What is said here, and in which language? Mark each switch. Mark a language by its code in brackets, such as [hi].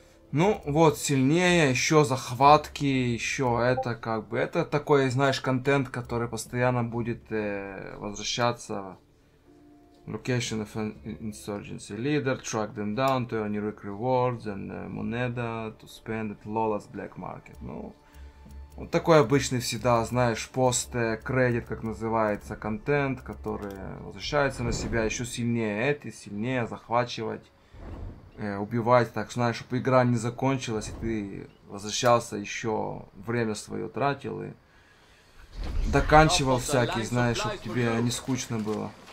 [ru] Ну вот, сильнее, еще захватки, еще это как бы, это такой, знаешь, контент, который постоянно будет возвращаться. [en] Location of insurgency leader, track them down to earn your rewards and moneda to spend at Lola's black market. [ru] Ну, вот такой обычный всегда, знаешь, пост, кредит, как называется, контент, который возвращается на себя еще сильнее эти, сильнее захвачивать. Убивать так, знаешь, чтобы игра не закончилась, и ты возвращался еще, время свое тратил и доканчивал всякие, знаешь, чтобы тебе не скучно было.